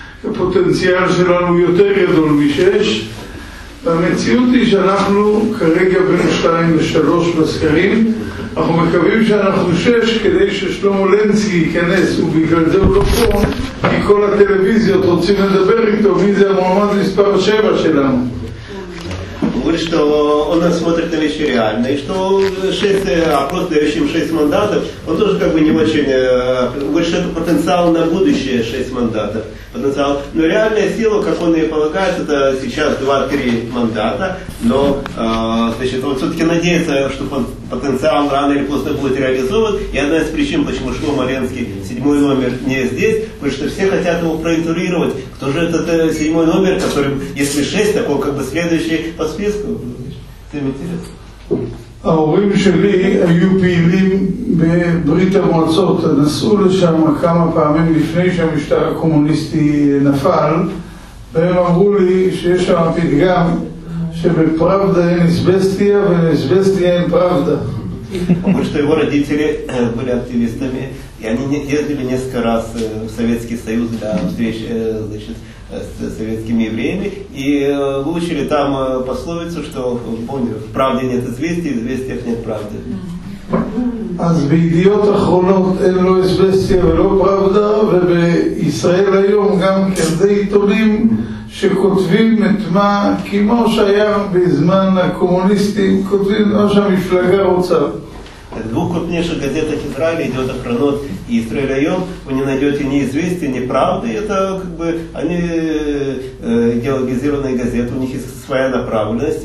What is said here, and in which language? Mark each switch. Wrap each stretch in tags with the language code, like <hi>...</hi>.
<he>הפוטנציאל שלנו הוא יותר גדול מ6, והמציאות היא שאנחנו כרגע בין 2 ל-3 בסקרים, אנחנו מקווים שאנחנו 6 כדי ששלמה לנסקי ייכנס, ובגלל זה הוא לא פה, כי כל הטלוויזיות רוצים לדבר איתו, מי זה המועמד מספר 7 שלנו.</he> <ru>Говорит, что он смотрит на вещи реально, и что 6 опрос, дающим 6 мандатов, он тоже как бы не очень... Говорит, что это потенциал на будущее 6 мандатов. Потенциал. Но реальная сила, как он и полагает, это сейчас 2-3 мандата, но значит, он все-таки надеется, что потенциал рано или поздно будет реализован. И одна из причин, почему Шлома Ленский, 7-й номер, не здесь, потому что все хотят его проинтурировать. Кто же этот 7-й номер, который, если 6, такой как бы следующий по списку? Всем интересно.</ru> <he>ההורים שלי היו פעילים בברית המועצות, נסעו לשם כמה פעמים לפני שהמשטר הקומוניסטי נפל, והם אמרו לי שיש שם פתגם שבפראבדה אין אסבסטיה ובאסבסטיה אין פראבדה.</he> <ru>Потому что его родители были активистами, и они ездили несколько раз в Советский Союз для встреч, значит, с советскими евреями, и выучили там пословицу, что в правде нет известий, в известиях нет правды.</ru> <he>אז בידיעות אחרונות אין לו אסבסטיה ולא פראבדה, ובישראל היום גם כזה עיתונים שכותבים את מה, כמו שהיה בזמן הקומוניסטים, כותבים מה שהמפלגה רוצה.</he> <ru>В двух крупнейших газетах Израиля, идет Ахронот и Израиль Айом, вы не найдете ни известия, ни правды. Это как бы они идеологизированные газеты, у них есть своя направленность.</ru>